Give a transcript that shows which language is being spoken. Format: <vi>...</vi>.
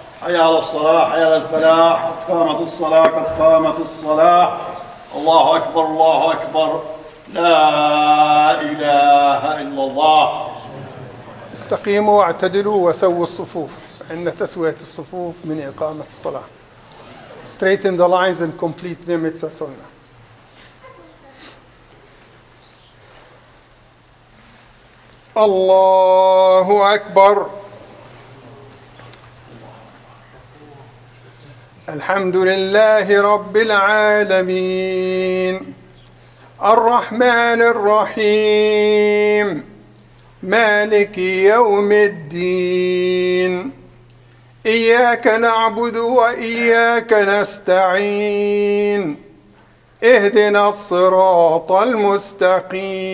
<ar>حي على الصلاة، حي على الفلاح، قد قامت الصلاة، قد قامت الصلاة. الله أكبر، الله أكبر، لا إله إلا الله. استقيموا واعتدلوا وسووا الصفوف، فإن تسوية الصفوف من إقامة الصلاة.</ar> <en>Straighten the lines and complete them, it's a sunnah.</en> <ar>الله أكبر الحمد لله رب العالمين الرحمن الرحيم مالك يوم الدين إياك نعبد وإياك نستعين اهدنا الصراط المستقيم</ar>